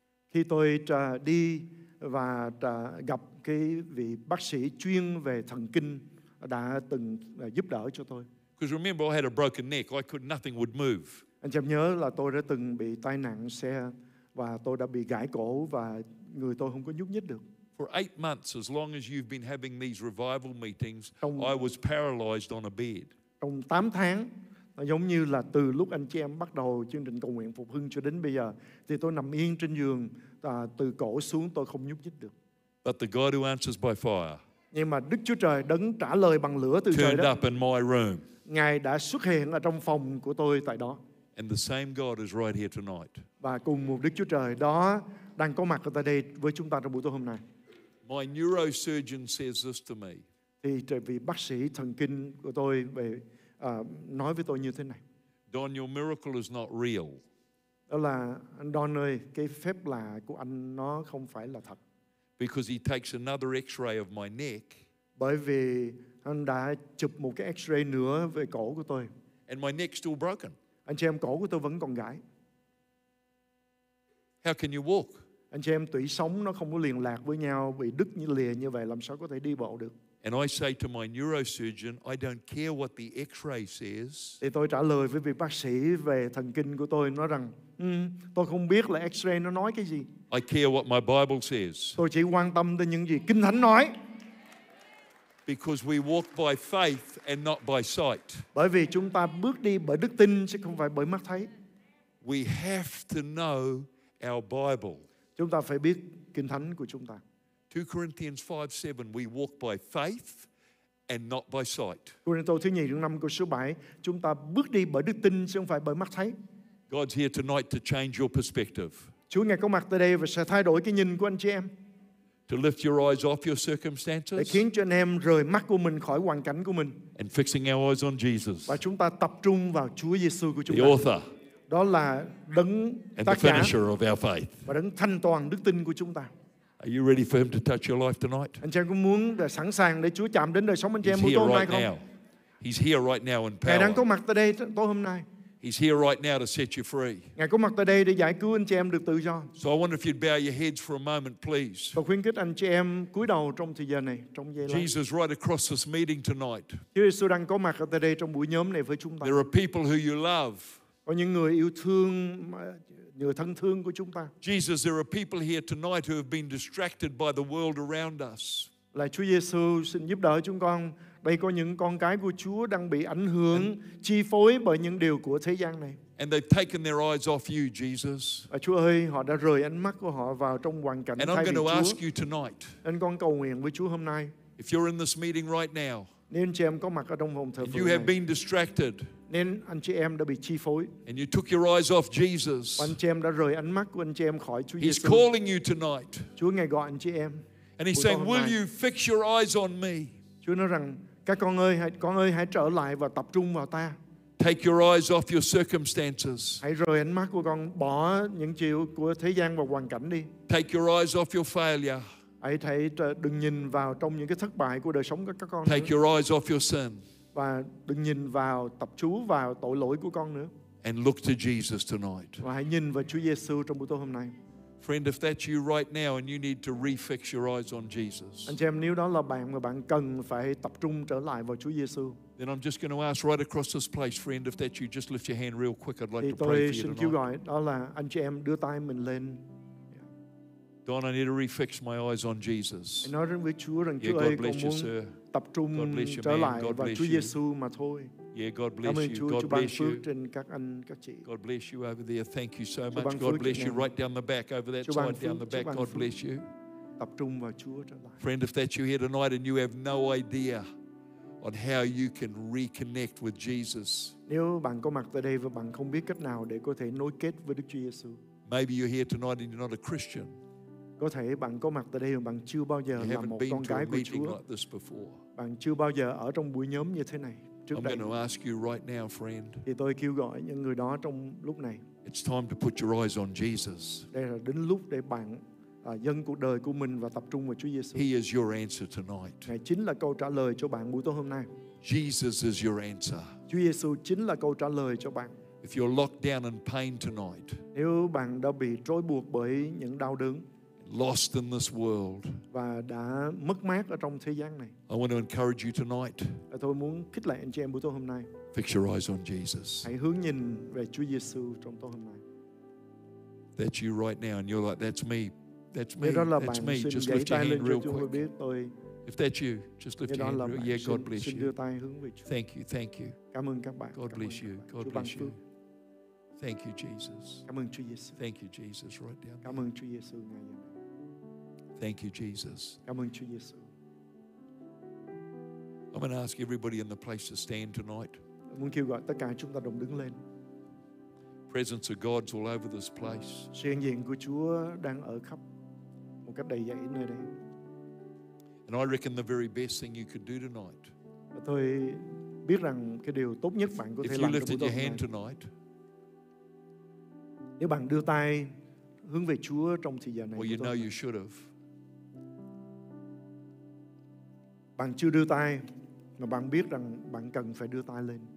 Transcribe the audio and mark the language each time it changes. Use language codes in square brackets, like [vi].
[vi] khi tôi đi và gặp cái vị bác sĩ chuyên về thần kinh đã từng giúp đỡ cho tôi. [en] Because remember, I had a broken neck. I could nothing would move. [vi] Anh chị em nhớ là tôi đã từng bị tai nạn xe và tôi đã bị gãy cổ và người tôi không có nhúc nhích được. [en] For 8 months, as long as you've been having these revival meetings, I was paralyzed on a bed. [vi] Trong 8 tháng, giống như là từ lúc anh chị em bắt đầu chương trình cầu nguyện phục hưng cho đến bây giờ, thì tôi nằm yên trên giường, từ cổ xuống tôi không nhúc nhích được. [en] But the God who answers by fire. [vi] Nhưng mà Đức Chúa Trời đấng trả lời bằng lửa từ trời đó. [en] Turned up in my room. [vi] Ngài đã xuất hiện ở trong phòng của tôi tại đó. [en] And the same God is right here tonight. [vi] Và cùng một Đức Chúa Trời đó đang có mặt ở đây với chúng ta trong buổi tối hôm nay. [en] My neurosurgeon says this to me. [vi] Thì vị bác sĩ thần kinh của tôi về nói với tôi như thế này. [en] Don, your miracle is not real. [vi] Đó là anh Don ơi, cái phép lạ của anh nó không phải là thật. [en] Because he takes another X-ray of my neck. [vi] Bởi vì anh đã chụp một cái X-ray nữa về cổ của tôi. [en] And my neck's still broken. [vi] Anh chị em, cổ của tôi vẫn còn gãy. [en] How can you walk? [vi] Anh chị em, tủy sống nó không có liên lạc với nhau, bị đứt như lìa như vậy, làm sao có thể đi bộ được? [en] And I say to my neurosurgeon, I don't care what the X-ray says. [vi] Thì tôi trả lời với vị bác sĩ về thần kinh của tôi, nói rằng, tôi không biết là X-ray nó nói cái gì. [en] I care what my Bible says. [vi] Tôi chỉ quan tâm tới những gì Kinh Thánh nói. [en] Because we walk by faith and not by sight. [vi] Bởi vì chúng ta bước đi bởi đức tin chứ không phải bởi mắt thấy. [en] We have to know our Bible. [vi] Chúng ta phải biết Kinh Thánh của chúng ta. [en] 2 Corinthians 5:7, we walk by faith and not by sight. [vi] Corinto thứ nhì chương 5 câu số 7, chúng ta bước đi bởi đức tin chứ không phải bởi mắt thấy. [en] God's here tonight to change your perspective. [vi] Chúa ngài có mặt tại đây và sẽ thay đổi cái nhìn của anh chị em. [en] To lift your eyes off your circumstances. [vi] Để khiến cho anh em rời mắt của mình khỏi hoàn cảnh của mình. [en] And fixing our eyes on Jesus. [vi] Và chúng ta tập trung vào Chúa Giêsu của chúng ta. [en] The author. [vi] Đó là đấng tác giả. [en] And the finisher of our faith. [vi] Và đấng thanh toàn đức tin của chúng ta. [en] Are you ready for him to touch your life tonight? [vi] Anh chị em có muốn sẵn sàng để Chúa chạm đến đời sống anh chị em buổi tối hôm nay không? [en] He's here right now in power. [vi] Ngài đang có mặt tại đây tối hôm nay. [en] He's here right now to set you free. [vi] Ngài có mặt tại đây để giải cứu anh chị em được tự do. [en] So I wonder if you'd bow your heads for a moment, please. [vi] Tôi khuyến khích anh chị em cúi đầu trong thời gian này, trong giây lát. [en] Jesus right across this meeting tonight. [vi] Chúa Giêsu đang có mặt ở tại đây trong buổi nhóm này với chúng ta. [en] There are people who you love. [vi] Có những người yêu thương, người thân thương của chúng ta. [en] Jesus, there are people here tonight who have been distracted by the world around us. [vi] Lạy Chúa Giêsu, xin giúp đỡ chúng con. Đây có những con cái của Chúa đang bị ảnh hưởng, chi phối bởi những điều của thế gian này. [en] And they've taken their eyes off you, Jesus. [vi] Và Chúa ơi, họ đã rời ánh mắt của họ vào trong hoàn cảnh thay vì Chúa. [en] And I'm going to ask you tonight. [vi] Anh con cầu nguyện với Chúa hôm nay. [en] If you're in this meeting right now. [vi] Nên anh chị em có mặt ở trong phòng thờ phượng. [en] You have been distracted. [vi] Nên anh chị em đã bị chi phối. [en] And you took your eyes off Jesus. [vi] Và anh chị em đã rời ánh mắt của anh chị em khỏi Chúa [en] Giêsu. He's calling you tonight. [vi] Chúa ngài gọi anh chị em. [en] And he's saying, "Will you fix your eyes on me?" [vi] Chúa nói rằng, các con ơi hãy trở lại và tập trung vào ta. [en] Take your eyes off your circumstances. [vi] Hãy rời ánh mắt của con, bỏ những chuyện của thế gian và hoàn cảnh đi. [en] Take your eyes off your failure. [vi] Hãy thấy đừng nhìn vào trong những cái thất bại của đời sống của các con. [en] Take your eyes off your sin. [vi] Và đừng nhìn vào, tập chú vào tội lỗi của con nữa. [en] And look to Jesus tonight. [vi] Và hãy nhìn vào Chúa Giêsu trong buổi tối hôm nay. [en] Friend, if that's you right now and you need to refix your eyes on Jesus. [vi] Anh chị em, nếu đó là bạn và bạn cần phải tập trung trở lại vào Chúa Giêsu. [en] Then I'm just going to ask right across this place, friend, if that's you, just lift your hand real quick. I'd like to pray for you tonight. [vi] Thì tôi xin kêu gọi đó là anh chị em đưa tay mình lên. [en] Don, I need to refix my eyes on Jesus. [vi] Anh nói với Chúa rằng Chúa ơi, con muốn tập trung trở lại vào Chúa Giêsu mà thôi. [en] Yeah, God bless you. God bless you. [vi] Trên các anh, các chị. [en] God bless you over there. Thank you so much. God bless you right down the back, over that side down the back. God bless you. [vi] tập trung vào Chúa trở lại. [en] Friend, if that's you here tonight and you have no idea on how you can reconnect with Jesus. [vi] Nếu bạn có mặt tại đây và bạn không biết cách nào để có thể nối kết với Đức Chúa Giêsu. [en] Maybe you're here tonight and you're not a Christian. [vi] Có thể bạn có mặt tại đây và bạn chưa bao giờ là một con cái của Chúa. [en] Like this before. [vi] Bạn chưa bao giờ ở trong buổi nhóm như thế này trước [en] I'm [vi] đây. [en] I'm going to ask you right now, friend. [vi] Thì tôi kêu gọi những người đó trong lúc này. [en] It's time to put your eyes on Jesus. [vi] Đây là đến lúc để bạn dâng cuộc đời của mình và tập trung vào Chúa Giêsu. [en] He is your answer tonight. [vi] Ngài chính là câu trả lời cho bạn buổi tối hôm nay. [en] Jesus is your answer. [vi] Chúa Giêsu chính là câu trả lời cho bạn. [en] If you're locked down in pain tonight. [vi] Nếu bạn đã bị trói buộc bởi những đau đớn. [en] Lost in this world. [vi] Và đã mất mát ở trong thế gian này. [en] I want to encourage you tonight. [vi] Tôi muốn khích lệ anh chị em buổi tối hôm nay. [en] Fix your eyes on Jesus. [vi] Hãy hướng nhìn về Chúa Giêsu trong tối hôm nay. [en] That's you right now, and you're like, that's me. That's me. [vi] Đó là [en] that's [vi] bạn [en] me. Just lift your hand real quick. [vi] Tôi... [en] If that's you, just lift your hand real quick. Yeah, God bless [vi] xin [en] you. [vi] Đưa tay hướng về Chúa. [en] Thank you, thank you. [vi] Cảm ơn các bạn. [en] God [vi] cảm [en] bless [vi] cảm [en] you. God [vi] Chúa [en] bless [vi] Phước. [en] You. Thank you, Jesus. [vi] Cảm ơn Chúa Giêsu. [en] Thank you, Jesus. Right down. [vi] Cảm ơn Chúa Giêsu ngài. [en] Thank you, Jesus. [vi] Cảm ơn Chúa Giêsu. [en] I'm going to ask everybody in the place to stand tonight. [vi] Tôi muốn kêu gọi tất cả chúng ta đồng đứng lên. [en] Presence of God's all over this place. [vi] Sự hiện diện của Chúa đang ở khắp một cách đầy dẫy nơi đây. [en] And I reckon the very best thing you could do tonight. [vi] Tôi biết rằng cái điều tốt nhất bạn có thể làm trong buổi tối [en] tonight. [vi] Nếu bạn đưa tay hướng về Chúa trong thời gian này. [en] Well, you know you should have. [vi] Bạn chưa đưa tay mà bạn biết rằng bạn cần phải đưa tay lên.